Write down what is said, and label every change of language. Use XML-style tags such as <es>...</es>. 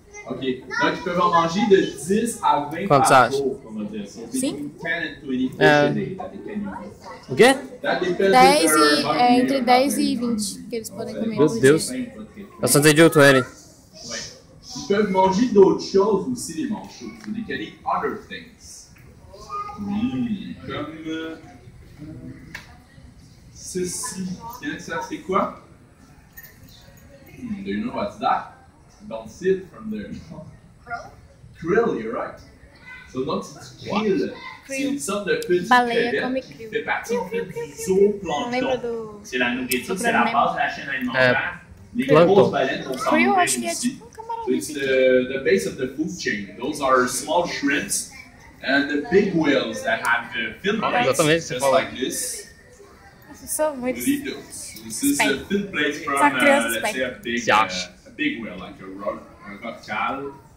<fr>Ok, donc ils peuvent en manger de 10 à 20 par jour, comme on va dire.</fr> <en>So, 10 and 20 fish a day. Ok?</en> <pt>10 e, é entre 10 e 20 que eles podem comer. Meu Deus. Bastante adulto, Eli.</pt> <fr>Ils peuvent manger d'autres choses aussi, les manchots.</fr> <en>So, they can eat other things. Comme.</en> <fr>Ceci. Tiens, ça, c'est quoi?</fr> <en>Do you know what's that? Don't see it from there. Krill, you're right. So not krill.</en> <fr>C'est une sorte de petit crevette qui fait partie en fait du zooplancton. C'est la nourriture, c'est la base de la chaîne alimentaire. Les grosses baleines vont s'en nourrir aussi.</fr> <en>It's the base of the food chain. Those are small shrimps and the big whales that have the fin plates just like this. So much. This is the fin plates from let's say a big whale. Big whale, like a rock, a rock child.</en>